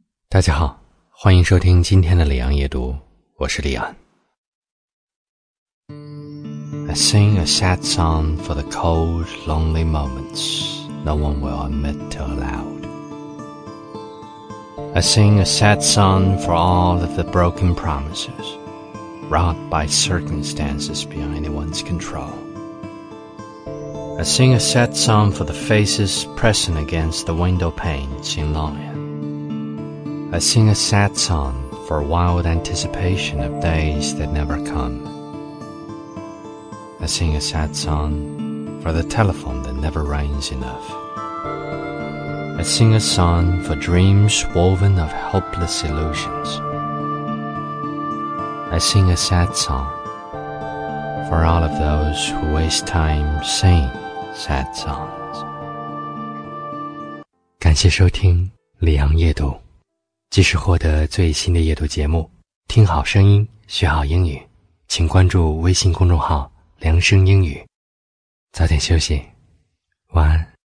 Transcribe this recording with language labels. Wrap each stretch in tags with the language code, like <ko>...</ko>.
<zh>大家好，欢迎收听今天的李昂夜读，我是李昂。</zh> <en>I sing a sad song for the cold, lonely moments no one will admit aloud. I sing a sad song for all of the broken promises wrought by circumstances beyond anyone's control. I sing a sad song for the faces pressing against the window panes in longingI sing a sad song for wild anticipation of days that never come. I sing a sad song for the telephone that never rings enough. I sing a song for dreams woven of hopeless illusions. I sing a sad song for all of those who waste time singing sad songs.</en> <zh>感谢收听李昂夜读。即使获得最新的阅读节目，听好声音，学好英语，请关注微信公众号“梁声英语”。早点休息，晚安。</zh>